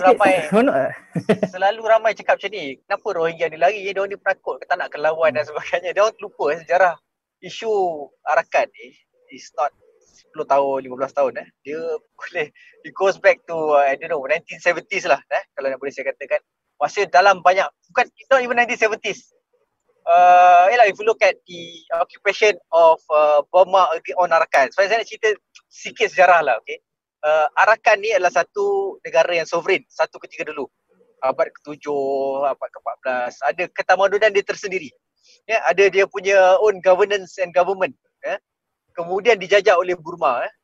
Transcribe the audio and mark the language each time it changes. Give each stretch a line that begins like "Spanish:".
Malay: selalu sikit. Ramai, selalu ramai cakap macam ni. Kenapa Rohingya ni lari? Dia orang ni penakut ke tak nak kelawan dan sebagainya. Dia orang lupa sejarah isu Arakan ni
English: is not
Malay: 10 tahun, 15 tahun eh. Dia boleh,
English: it goes back to, I don't know, 1970s lah eh.
Malay: Kalau nak boleh saya katakan. Masa dalam banyak, bukan,
English: not even 1970s. Yelah, if you look at the occupation of Burma on Arakan.
Malay: So, saya nak cerita sikit sejarah lah, okay. Arakan ni adalah satu negara yang sovereign, satu ketika dulu. Abad ke-7, abad ke-14. Ada ketamadunan dia tersendiri. Ya, yeah, ada dia punya
English: own governance and government.
Malay: Kemudian dijajah oleh Burma.